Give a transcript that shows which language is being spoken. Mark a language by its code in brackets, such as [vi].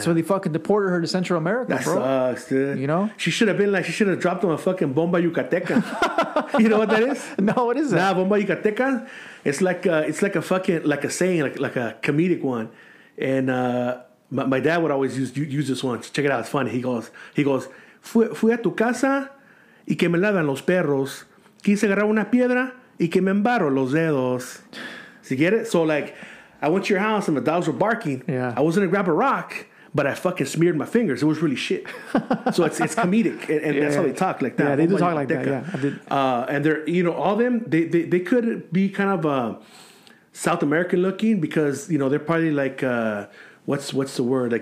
[en] So they fucking deported her to Central America, that bro. That sucks, dude. You know? She should have been like, she should have dropped them a fucking bomba yucateca. You know what that is? No, what is that? Nah, bomba yucateca. It's like a fucking, like a saying, like a comedic one. And my dad would always use this one. Check it out. It's funny. [es] He goes, fui a tu casa y que me lavan los perros. Quise agarrar una piedra y que me embarro los dedos. [en] So you get it? So like, I went to your house and the dogs were barking. Yeah. I was going to grab a rock, but I fucking smeared my fingers. It was really shit. So it's comedic. And that's how they talk like that. Yeah, they do talk like that. Yeah, And they're, you know, all them, they could be kind of South American looking because, you know, they're probably like, what's the word?